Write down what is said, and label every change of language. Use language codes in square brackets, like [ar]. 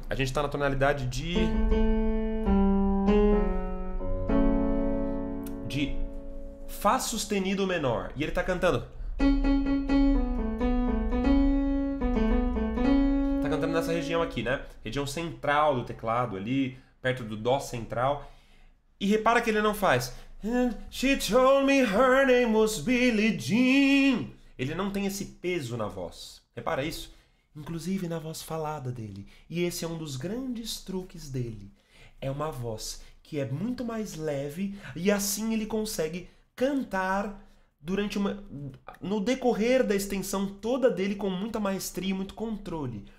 [pt] A gente tá na tonalidade de Fá sustenido menor. E ele tá cantando. Nessa região aqui, né? Região central do teclado ali, perto do dó central. E repara que ele não faz. [en] She told me her name was Billie Jean. [pt] Ele não tem esse peso na voz. Repara isso. Inclusive na voz falada dele. E esse é um dos grandes truques dele. É uma voz que é muito mais leve e assim ele consegue cantar durante no decorrer da extensão toda dele com muita maestria e muito controle.